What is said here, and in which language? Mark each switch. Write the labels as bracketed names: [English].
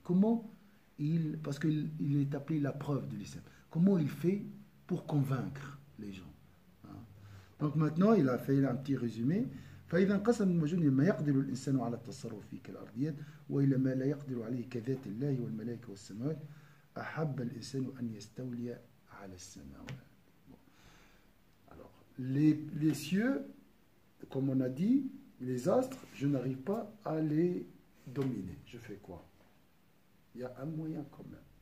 [French] Comment il, parce qu'il est appelé la preuve de l'islam, comment il fait pour convaincre les gens, hein? Donc maintenant, il a fait un petit résumé. [Arabic] فإذا انقسم المجنون ما يقدر الإنسان على التصرف فيه كالأرضيات وإلى ما لا يقدر عليه كذات الله والملائكة والسماوات أحب الإنسان أن يستولي على السماوات. [French] Alors, les cieux, comme on a dit, les astres, je n'arrive pas à les dominer. Je fais quoi? Il y a un moyen quand même.